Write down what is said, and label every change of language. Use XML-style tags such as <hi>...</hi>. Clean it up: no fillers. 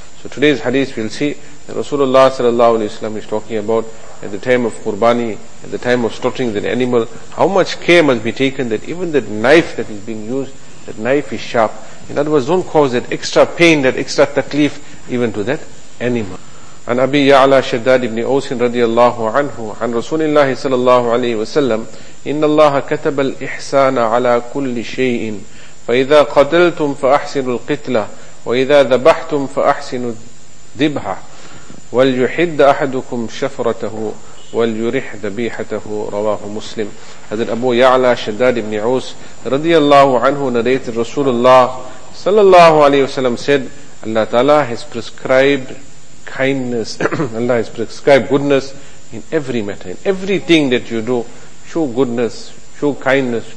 <en>So today's hadith we'll see that Rasulullah sallallahu alayhi wa sallam is talking about at the time of qurbani, at the time of slaughtering the animal, how much care must be taken that even that knife that is being used, that knife is sharp. In other words, don't cause that extra pain, that extra taklif even to that animal.</en> <ar>عن أبي يعلى شداد بن أوس رضي الله عنه عن رسول الله صلى الله عليه وسلم إن الله كتب الإحسان على كل شيء فإذا قتلتم فأحسنوا القتلة وإذا ذبحتم فأحسنوا الذبحة وليحد أحدكم شفرته وليرح ذبيحته رواه مسلم. هذا أبو يعلى شداد بن أوس رضي الله عنه نريت رسول الله صلى الله عليه وسلم</ar> <en>said الله تعالى has prescribed kindness, Allah has prescribed goodness in every matter, in everything that you do, show goodness, show kindness.</en>